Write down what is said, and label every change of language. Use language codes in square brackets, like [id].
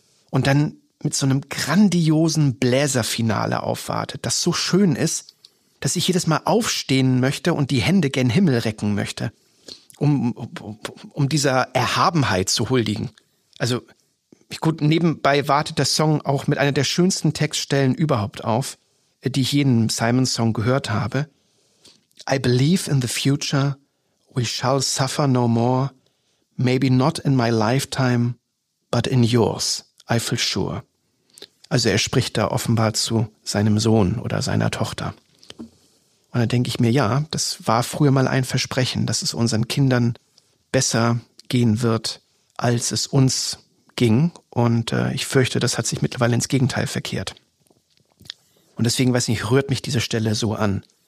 [de] Und dann mit so einem grandiosen Bläserfinale aufwartet, das so schön ist, dass ich jedes Mal aufstehen möchte und die Hände gen Himmel recken möchte, um dieser Erhabenheit zu huldigen. Also gut, nebenbei wartet der Song auch mit einer der schönsten Textstellen überhaupt auf. die ich jeden Simon-Song gehört habe. [en] I believe in the future, we shall suffer no more, maybe not in my lifetime, but in yours, I feel sure. [de] Also er spricht da offenbar zu seinem Sohn oder seiner Tochter. Und dann denke ich mir, ja, das war früher mal ein Versprechen, dass es unseren Kindern besser gehen wird, als es uns ging. Und ich fürchte, das hat sich mittlerweile ins Gegenteil verkehrt. Und deswegen, weiß nicht, rührt mich diese Stelle so an.